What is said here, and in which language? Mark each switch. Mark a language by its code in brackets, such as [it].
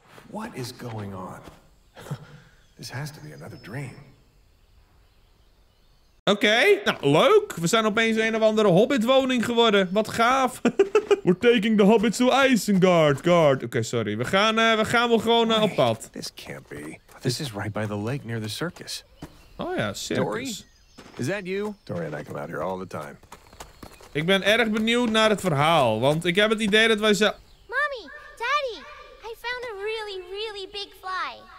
[en] What is going on? This has to be another dream. [nl] Oké, nou leuk. We zijn opeens een of andere hobbitwoning geworden. Wat gaaf. [en] We're taking the hobbits to Isengard, guard. [nl] Oké, sorry. We gaan wel gewoon op pad. [en] This can't be. This is right by the lake near the circus. [nl] Oh ja, circus. [en] Dory? Is that you? Dory and I come out here all the time. [nl] Ik ben erg benieuwd naar het verhaal, want ik heb het idee dat wij zelf... [en] Mommy, Daddy, I found a really, really big fly.